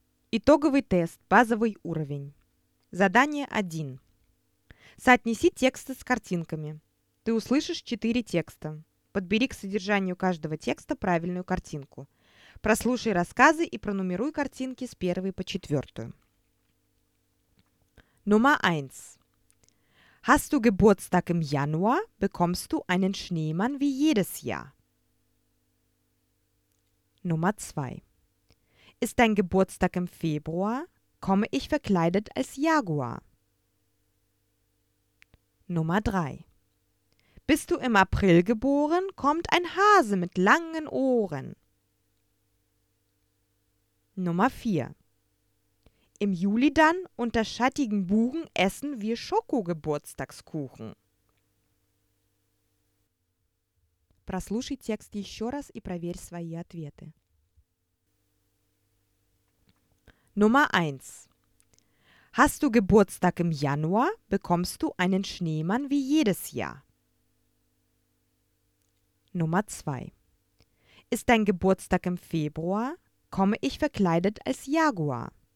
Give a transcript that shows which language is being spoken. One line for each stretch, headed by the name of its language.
Russian: Итоговый тест, базовый уровень. Задание 1. Соотнеси тексты с картинками. Ты услышишь 4 текста. Подбери к содержанию каждого текста правильную картинку. Прослушай рассказы и пронумеруй картинки с 1 по 4.
German: Nummer 1. Hast du Geburtstag im Januar, bekommst du einen Schneemann wie jedes Jahr. Nummer 2. Ist dein Geburtstag im Februar, komme ich verkleidet als Jaguar. Nummer 3. Bist du im April geboren, kommt ein Hase mit langen Ohren. Nummer 4. Im Juli dann, unter schattigen Buchen, essen wir Schoko-Geburtstagskuchen.
Russian: Прослушай текст еще раз и проверь свои ответы.
German: Nummer 1. Hast du Geburtstag im Januar, bekommst du einen Schneemann wie jedes Jahr. Nummer 2. Ist dein Geburtstag im Februar, komme ich verkleidet als Jaguar.